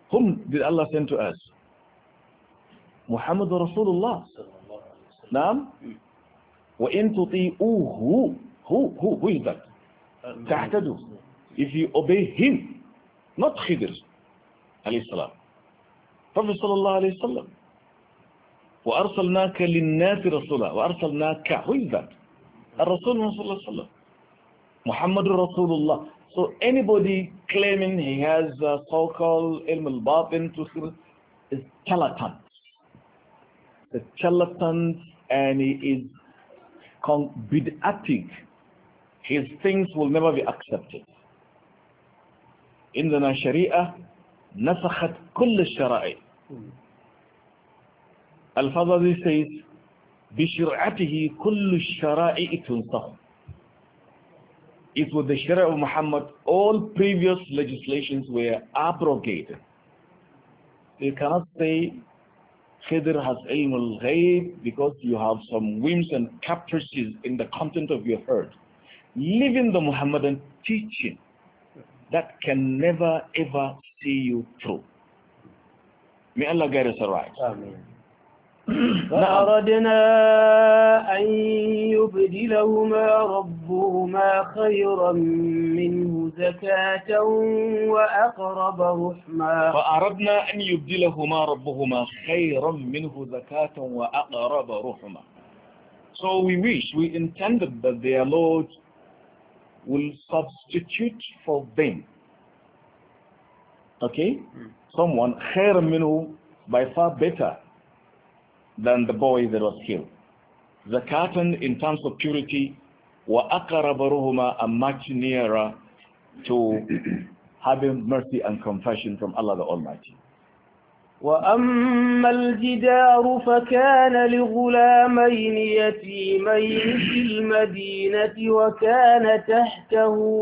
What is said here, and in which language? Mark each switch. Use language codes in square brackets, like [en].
[en] Whom did Allah send to us? Muhammad Rasulullah. Naam? [ar] وَإِن تُطِئُوهُ [en] Who is that? [ar] تَحْتَدُوا [en] If you obey him, not Khidr, alayhi salam. Prophet sallallahu alayhi salam. [ar] وَأَرْسَلْنَاكَ لِلنَّاسِ رَسُولًا وَأَرْسَلْنَاكَ [en] Who is that? [ar] الرسول صلى الله عليه وسلم. [en] Muhammad Rasulullah. So anybody claiming he has a so-called ilm al-batin to him is charlatan. The charlatan, and he is bid'atic. His things will never be accepted. [ar] عندنا شريعة نسخت كل الشرائع. [en] Al-Fadhili says, [ar] بشرعته كل الشرائع تنسخ. [en] It was the Sharia of Muhammad, all previous legislations were abrogated. You cannot say Khidr has ilm al-ghayb because you have some whims and caprices in the content of your heart. Leaving the Muhammadan teaching that can never ever see you through. May Allah guide us aright. Amen. [ar] فأردنا أن يبدلهما ربهما خيرا منه زكاة وأقرب رحما. فأردنا أن يبدلهما ربهما خيرا منه زكاة وأقرب رحما. [en] So we wish, we intended that their Lord will substitute for them. Okay? Someone [ar] خير منه [en] by far better. Than the boy that was killed. Zakatan in terms of purity, wa aqrab ruhuma a much nearer to having mercy and compassion from Allah the Almighty. [ar] وأما الجدار فكان لغلامين يتيمين في المدينة وكان تحته